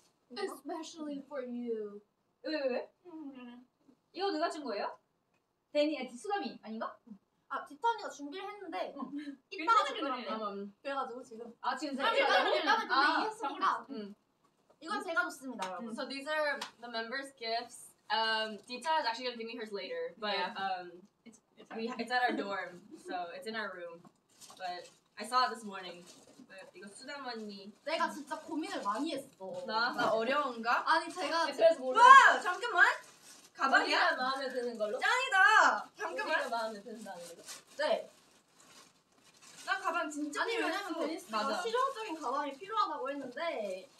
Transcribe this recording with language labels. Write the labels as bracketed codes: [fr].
[en] Especially for you. [ko] 왜? 이거 누가 준 거예요? 데니, 수담이 아닌가? 아, 디터니가 준비를 했는데 이따가 주더라고요. 그래가지고 지금 아 지금 제가 이따가 준비했으니까 이건 제가 줬습니다, 여러분. [en] So these are the members' gifts. Dita is actually gonna give me hers later, but yeah. it's at our dorm, so it's in our room. But I saw it this morning. But [ko] 이거 수담 언니. 내가 진짜 고민을 많이 했어. 나 어려운가? 아니 제가 그래서 몰라. 잠깐만. 가방이야? 우리가 마음에 드는 걸로? 짱이다! 잠깐만! 우리가 마음에 든다는 거? 네! 나 가방 진짜 아니, 필요했어! 아니 왜냐면 실용적인 가방이 필요하다고 했는데